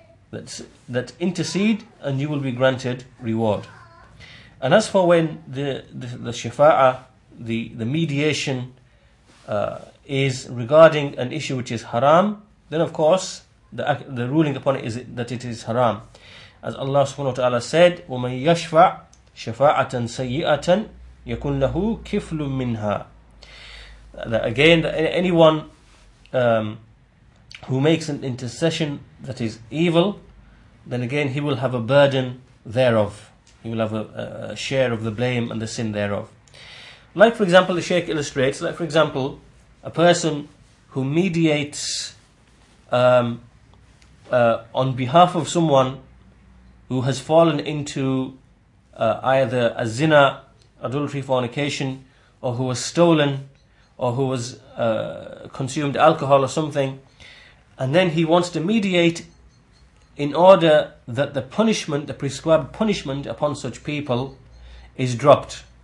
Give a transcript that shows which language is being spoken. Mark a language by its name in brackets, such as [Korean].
[English] That intercede and you will be granted reward. And as for when the shafa'a, the mediation, is regarding an issue which is haram, then of course the ruling upon it is that it is haram. [Arabic] As Allah subhanahu wa ta'ala said, وَمَنْ يَشْفَعْ شَفَاعَةً سَيِّئَةً يَكُنْ لَهُ كِفْلٌ مِّنْهَا. [English] That again, that anyone who makes an intercession that is evil, then again he will have a burden thereof. He will have a share of the blame and the sin thereof. Like, for example, the Shaykh illustrates, like, for example, a person who mediates on behalf of someone who has fallen into either a zina, adultery, fornication, or who was stolen, or who was consumed alcohol or something, and then he wants to mediate in order that the punishment, the prescribed punishment upon such people, is dropped.